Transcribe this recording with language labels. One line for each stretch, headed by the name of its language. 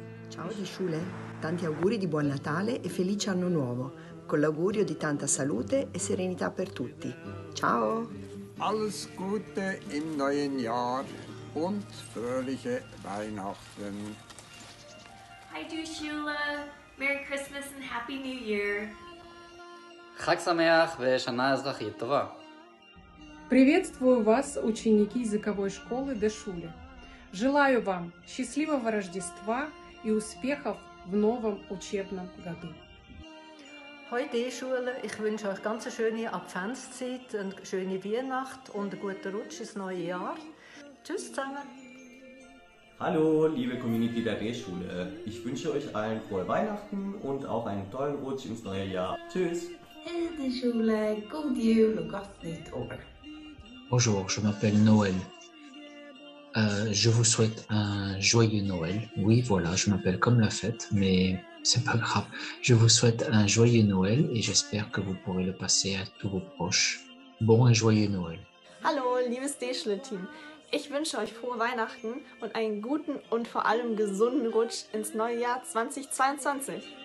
Italian: Ciao D-Schule, tanti auguri di buon Natale e felice anno nuovo, con l'augurio di tanta salute e serenità per tutti. Ciao!
German: Alles Gute im neuen Jahr und fröhliche Weihnachten!
English: Hi D-Schule, Merry Christmas and Happy New Year!
Hebrew: Chag Sameach ve Shana Ezrachit Tova!
Russian: Приветствую вас, ученики языковой школы D-SCHULE. Желаю вам счастливого Рождества и успехов в новом учебном году.
German: Hi D-SCHULE, ich wünsche euch ganz eine schöne Adventszeit, eine schöne Weihnacht und einen guten Rutsch ins neue Jahr. Tschüss zusammen. Hallo, liebe Community der D-SCHULE. Ich wünsche euch allen frohe Weihnachten und auch einen tollen Rutsch ins neue Jahr. Tschüss. Hey D-SCHULE, kommt ihr noch gar nicht oben.
French: Bonjour, je m'appelle Noël. Je vous souhaite un joyeux Noël. Oui, voilà, je m'appelle comme la fête, mais c'est pas grave. Je vous souhaite un joyeux Noël et j'espère que vous pourrez le passer à tous vos proches. Bon et joyeux Noël.
German: Hallo, liebes D-SCHULE-Team. Ich wünsche euch frohe Weihnachten und einen guten und vor allem gesunden Rutsch ins neue Jahr 2022.